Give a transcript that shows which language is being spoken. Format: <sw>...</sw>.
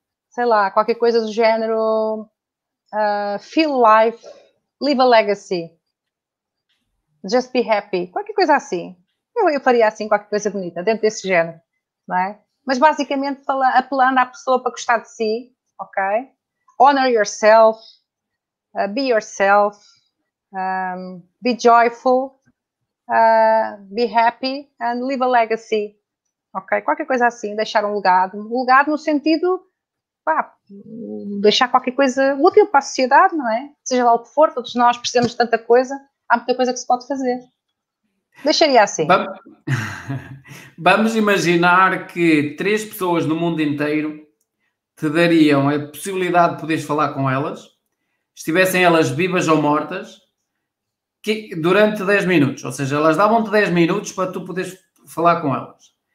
<pt>Sei lá, qualquer coisa do género.</pt> <en>Feel life, leave a legacy. Just be happy.</en> <pt>Qualquer coisa assim. Eu faria assim, qualquer coisa bonita, dentro desse género, não é? Mas basicamente apelando à pessoa para gostar de si, ok?</pt> <en>Honor yourself, be yourself, be joyful, be happy and leave a legacy, ok?</en> <pt>Qualquer coisa assim, deixar um legado. Um legado no sentido, pá, deixar qualquer coisa útil para a sociedade, não é? Seja lá o que for, todos nós precisamos de tanta coisa. Há muita coisa que se pode fazer. Deixaria assim. Vamos imaginar que 3 pessoas no mundo inteiro te dariam a possibilidade de poderes falar com elas, estivessem elas vivas ou mortas, que, durante 10 minutos. Ou seja, elas davam-te 10 minutos para tu poderes falar com elas.</pt>